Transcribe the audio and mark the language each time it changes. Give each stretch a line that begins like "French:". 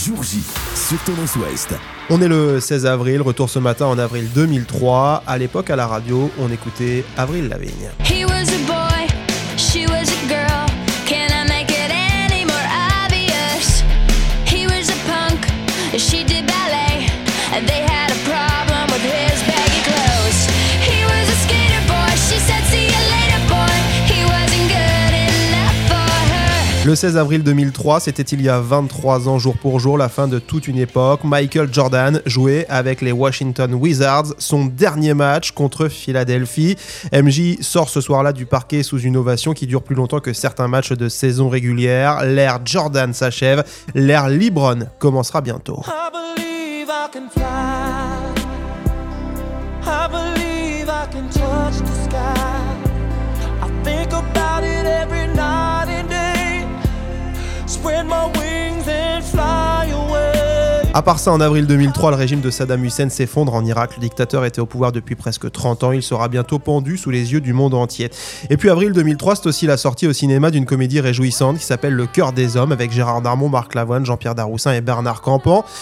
French: Jour J, sur Tendance Ouest. On est le 16 avril, retour ce matin en avril 2003. À l'époque, à la radio, on écoutait Avril Lavigne.
English: He was a boy, she was a girl. Can I make it any more obvious? He was a punk, she did ballet. And they had a problem with his baggy clothes. He was a skater boy, she said see you later boy. He wasn't good enough for her.
French: Le 16 avril 2003, c'était il y a 23 ans jour pour jour, la fin de toute une époque. Michael Jordan jouait avec les Washington Wizards son dernier match contre Philadelphie. MJ sort ce soir-là du parquet sous une ovation qui dure plus longtemps que certains matchs de saison régulière. L'ère Jordan s'achève, l'ère LeBron commencera bientôt.
English: I can fly. I believe I can touch the sky. I think about it every night and day. Spread my wings and fly away.
French: À part ça, en avril 2003, le régime de Saddam Hussein s'effondre en Irak. Le dictateur était au pouvoir depuis presque 30 ans. Il sera bientôt pendu sous les yeux du monde entier. Et puis avril 2003, c'est aussi la sortie au cinéma d'une comédie réjouissante qui s'appelle Le Cœur des Hommes, avec Gérard Darmon, Marc Lavoine, Jean-Pierre Darroussin et Bernard Campan.